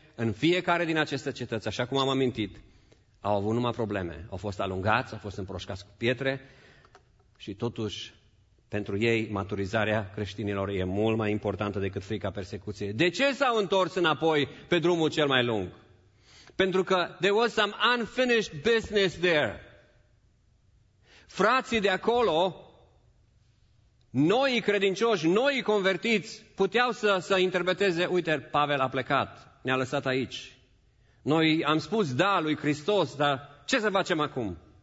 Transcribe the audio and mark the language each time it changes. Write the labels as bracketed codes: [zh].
[ro] În fiecare din aceste cetăți, așa cum am amintit, au avut numai probleme. Au fost alungați, au fost împroșcați cu pietre și totuși, pentru ei, maturizarea creștinilor e mult mai importantă decât frica persecuției. De ce s-au întors înapoi pe drumul cel mai lung? Pentru că [en] there was some unfinished business there. [ro] Frații de acolo, noi credincioși, noi convertiți, puteau să interpreteze, uite, Pavel a plecat, ne-a lăsat aici. Noi am spus da lui Hristos, dar ce să facem acum?